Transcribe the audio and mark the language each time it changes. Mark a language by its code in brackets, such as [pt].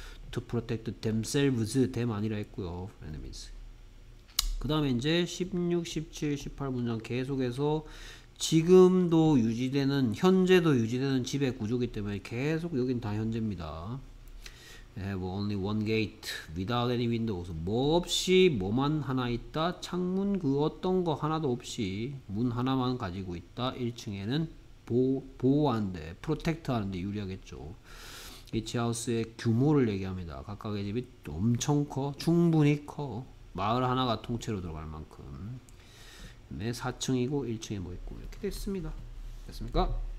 [en] To protect themselves. them [ko] 아니라 했고요. [en] enemies. [ko] 그 다음에 이제 16, 17, 18 문장 계속해서 지금도 유지되는, 현재도 유지되는 집의 구조기 때문에 계속 여긴 다 현재입니다. [en] They have only one gate without any windows. [ko] 뭐 없이, 뭐만 하나 있다? 창문 그 어떤 거 하나도 없이 문 하나만 가지고 있다. 1층에는 보호하는데, 프로텍트 하는데 유리하겠죠. 이치 하우스의 규모를 얘기합니다. 각각의 집이 엄청 커, 충분히 커. 마을 하나가 통째로 들어갈 만큼. 네, 4층이고 1층에 뭐 있고 이렇게 됐습니다. 됐습니까?